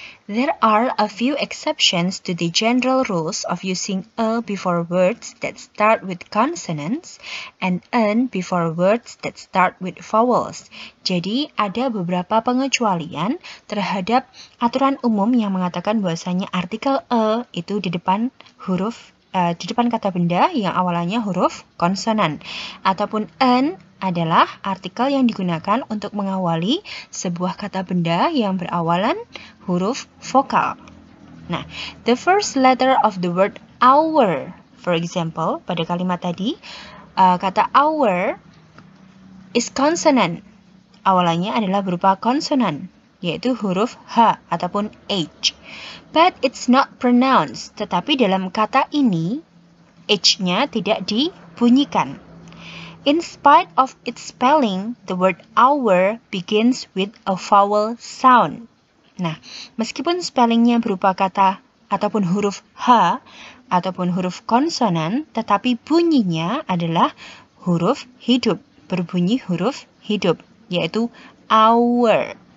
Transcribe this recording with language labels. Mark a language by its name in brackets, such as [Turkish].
[English] There are a few exceptions to the general rules of using a before words that start with consonants and an before words that start with vowels. [Indonesian] Jadi, ada beberapa pengecualian terhadap aturan umum yang mengatakan bahwasanya artikel a itu di depan huruf di depan kata benda yang awalannya huruf konsonan. Ataupun an adalah artikel yang digunakan untuk mengawali sebuah kata benda yang berawalan huruf vokal. [English] Nah, the first letter of the word hour, for example, [Indonesian] pada kalimat tadi, kata [English] hour is consonant. [Indonesian] Awalannya adalah berupa konsonan, yaitu huruf H ataupun H. [English] But it's not pronounced, [Indonesian] tetapi dalam kata ini, H-nya tidak dibunyikan. [English] In spite of its spelling, the word hour begins with a vowel sound. [Indonesian] Nah, meskipun spellingnya berupa kata ataupun huruf H ataupun huruf konsonan, tetapi bunyinya adalah huruf hidup, berbunyi huruf hidup, yaitu hour.